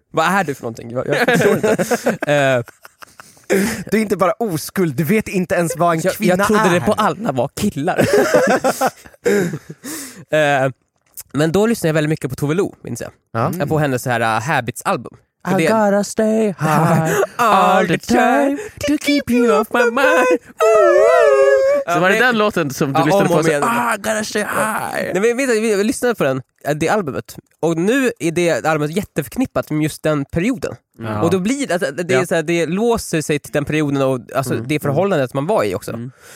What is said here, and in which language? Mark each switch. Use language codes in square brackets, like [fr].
[sv] Vad är du för någonting? Jag förstår inte. Du är inte bara oskuld, du vet inte ens vad en kvinna är. Jag trodde är. Det på alla var killar. Men då lyssnade jag väldigt mycket på Tove Lo, minns jag. Ja. Jag på hennes så här Habits-album. [en] I gotta stay high all the time to keep you off my mind. [sv] Så var det den låten som du lyssnade på? [en] I gotta stay high. [sv] Nej, vi lyssnade på den, det albumet. Och nu är det albumet jätteförknippat med just den perioden. Mm. Och då blir det, alltså, det, är så här, det låser sig till den perioden och alltså, det förhållandet man var i också. Mm.